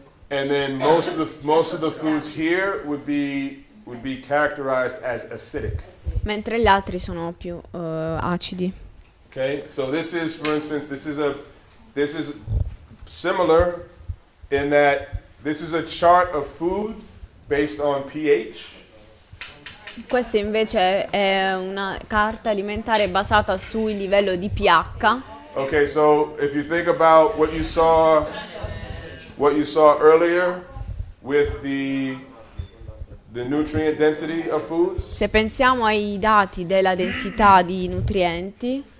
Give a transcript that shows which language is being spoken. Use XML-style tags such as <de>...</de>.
<en>And then most of the foods here would be characterized as acidic.</en> <it>Mentre gli altri sono più acidi.</it> <en>Okay, so this is, for instance, this is similar in that this is a chart of food based on pH.</en> <it>Questa invece è una carta alimentare basata sui livello di pH.</it> <en>Okay, so if you think about what you saw earlier with the nutrient density of foods.</en> <it>Se pensiamo ai dati della densità di nutrienti.</it>